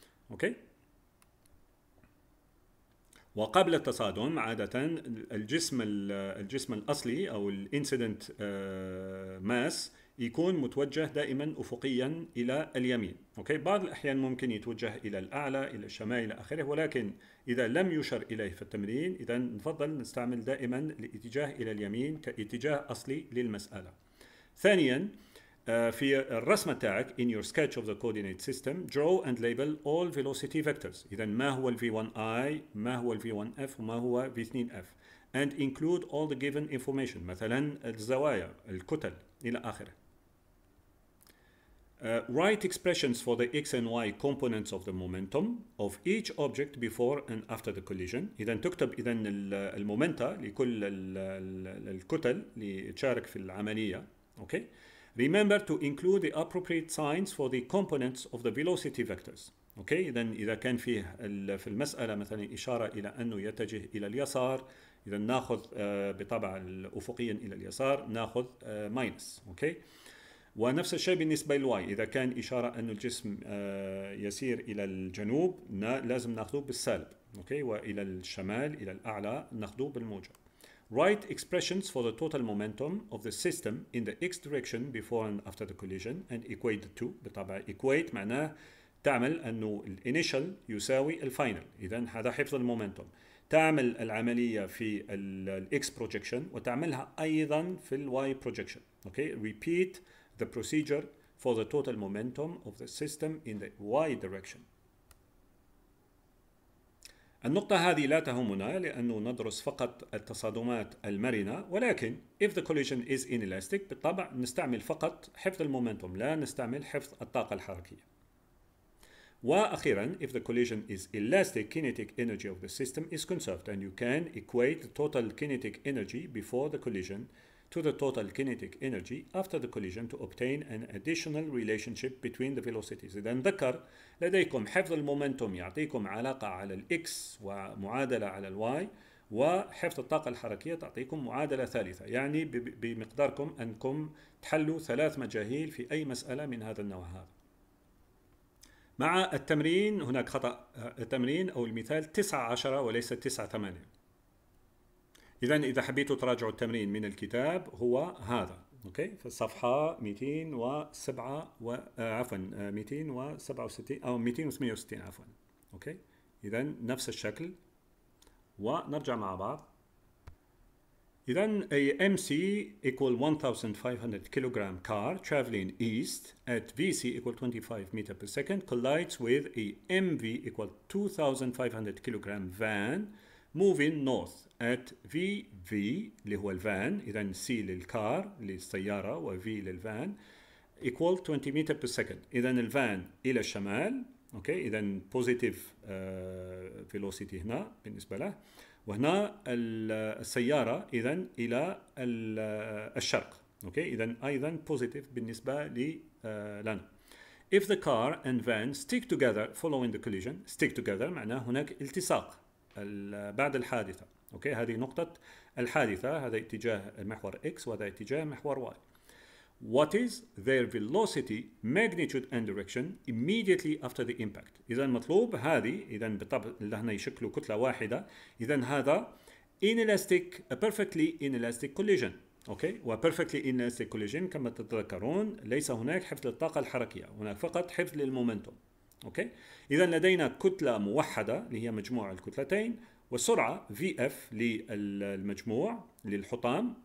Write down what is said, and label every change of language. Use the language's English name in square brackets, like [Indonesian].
[Arabic] أوكي؟ وقبل التصادم عادة الجسم الأصلي أو الـ incident mass يكون متوجه دائما أفقيا إلى اليمين. أوكي؟ بعض الأحيان ممكن يتوجه إلى الأعلى إلى الشمال إلى آخره، ولكن إذا لم يشر إليه في التمرين إذا نفضل نستعمل دائما الاتجاه إلى اليمين كاتجاه أصلي للمسألة. ثانيا في الرسمة تاعك [English] in your sketch of the coordinate system draw and label all velocity vectors. [Arabic] إذا ما هو الـ V1i، ما هو الـ V1f، وما هو V2f، [English] and include all the given information، [Arabic] مثلا الزوايا الكتل إلى آخره. [English] Write expressions for the x and y components of the momentum of each object before and after the collision. [Arabic] إذا تكتب إذا المومنتا لكل الكتل اللي تشارك في العملية. [English] Okay. Remember to include the appropriate signs for the components of the velocity vectors. Okay. [Arabic] إذا إذا كان فيه في المسألة مثلا إشارة إلى أنه يتجه إلى اليسار، إذا ناخذ بطبع أفقيا إلى اليسار ناخذ ماينس. أوكي؟ ونفس الشيء بالنسبة للواي، إذا كان إشارة أن الجسم يسير إلى الجنوب لازم ناخذه بالسالب. أوكي؟ وإلى الشمال إلى الأعلى ناخذه بالموجب. [English] Write expressions for the total momentum of the system in the x direction before and after the collision and equate the two. [Arabic] بطبع equate معناه تعمل أنه الانيشال يساوي الفاينل، إذا هذا حفظ المومنتوم. تعمل العملية في الـ X projection وتعملها أيضا في الـ Y projection. [English] Okay. Repeat the procedure for the total momentum of the system in the Y direction. [Arabic] النقطة هذه لا تهمنا لأنه ندرس فقط التصادمات المرنة، ولكن [English] if the collision is inelastic [Arabic] بالطبع نستعمل فقط حفظ المومنتوم، لا نستعمل حفظ الطاقة الحركية. وأخيراً [English] if the collision is elastic kinetic energy of the system is conserved and you can equate the total kinetic energy before the collision to the total kinetic energy after the collision to obtain an additional relationship between the velocities. [Arabic] إذا نذكر لديكم حفظ المومنتوم يعطيكم علاقة على الـ X ومعادلة على الـ Y، وحفظ الطاقة الحركية تعطيكم معادلة ثالثة، يعني بمقداركم أنكم تحلوا ثلاث مجاهيل في أي مسألة من هذا النوع هذا. مع التمرين هناك خطأ، التمرين أو المثال 9-10 وليس 9-8. إذن إذا حبيتوا تراجعوا التمرين من الكتاب هو هذا. أوكي؟ في الصفحة 267 أو 268 إذن نفس الشكل ونرجع مع بعض. [English] إذن a MC equal 1500 kilogram car traveling east at VC equal 25 meter per second collides with a MV equal 2500 kilogram van moving north at VV [Arabic] اللي هو الفان، إذن C للكار للسيارة و V للفان [English] equal 20 meter per second. [Arabic] إذن الفان إلى الشمال. أوكي؟ إذن positive velocity هنا بالنسبة له، وهنا السيارة إذن إلى الشرق. أوكي؟ إذن أيضا positive بالنسبة لنا. [English] If the car and van stick together following the collision, stick together [Arabic] معناه هناك التصاق بعد الحادثة. أوكي؟ هذه نقطة الحادثة، هذا اتجاه محور X وهذا اتجاه محور Y. [English] What is their velocity, magnitude and direction immediately after the impact? [Arabic] إذا المطلوب هذه، إذا بالطبع لهنا يشكلوا كتلة واحدة، إذا هذا inelastic, [English] a perfectly inelastic collision. Okay. [Arabic] وperfectly inelastic collision كما تتذكرون ليس هناك حفظ للطاقة الحركية، هناك فقط حفظ للمومنتوم. [English] Okay. [Arabic] إذا لدينا كتلة موحدة اللي هي مجموع الكتلتين وسرعة VF للمجموع للحطام.